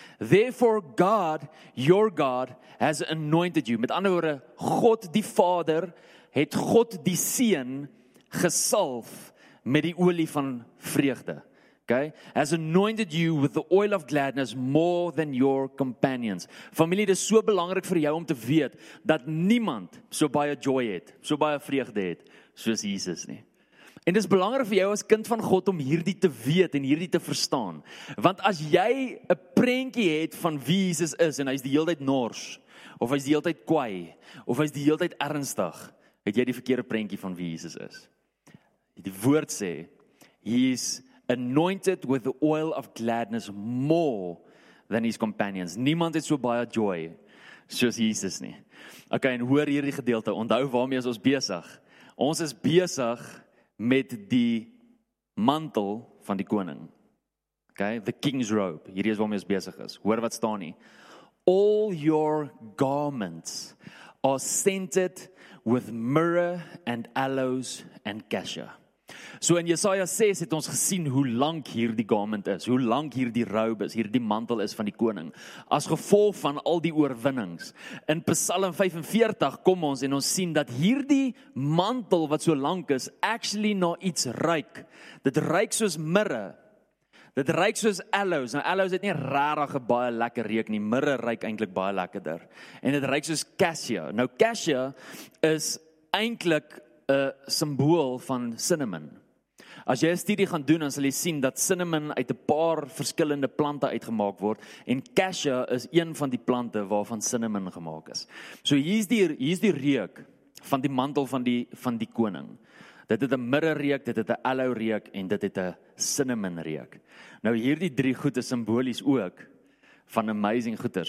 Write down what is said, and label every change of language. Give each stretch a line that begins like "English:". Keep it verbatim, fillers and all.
English: Therefore God, your God, has anointed you."
Afrikaans: Met ander woorde, God die Vader het God die Seun gesalf met die olie van vreugde. Okay?
English: "Has anointed you with the oil of gladness more than your companions."
Afrikaans: Familie, dit is so belangrik vir jou om te weet dat niemand so baie joy het, so baie vreugde het, soos Jesus nie. En dit is belangrik vir jou as kind van God om hierdie te weet en hierdie te verstaan. Want as jy 'n prentjie het van wie Jesus is en hy's die hele tyd nors, of hy's die hele tyd kwaai, of hy's die hele tyd ernstig, het jy die verkeerde prentjie van wie Jesus is. Die woord sê, hy is
English: anointed with the oil of gladness more than his companions.
Afrikaans: Niemand het so baie joy soos Jesus nie. Okay, en hoor hierdie gedeelte, onthou waarmee is ons besig. Ons is besig met die mantel van die koning. Okay,
English: the king's robe,
Afrikaans: hierdie is waarmee ons besig is. Hoor wat staan nie.
English: "All your garments are scented with myrrh and aloes and cassia."
Afrikaans: So in Jesaja ses het ons gesien hoe lank hierdie garment is, hoe lank hierdie robe is, hierdie mantel is van die koning, as gevolg van al die oorwinnings. In Psalm vyf en veertig kom ons en ons sien dat hierdie mantel wat so lank is, actually na iets ruik. Dit ruik soos mirre, dit ruik soos aloes. Nou aloes het nie regtig baie lekker reuk nie, mirre ruik eintlik baie lekkerder. En dit ruik soos cassia. Nou cassia is eintlik 'n simbool van cinnamon. As jy 'n studie gaan doen, dan sal jy sien dat cinnamon uit 'n paar verskillende plante uitgemaak word en cassia is een van die plante waarvan cinnamon gemaak is. So hier's die hier's die reuk van die mantel van die van die koning. Dit het 'n mirre reuk, dit het 'n aloe reuk en dit het 'n cinnamon reuk. Nou hierdie drie goed is simbolies ook van amazing goeders.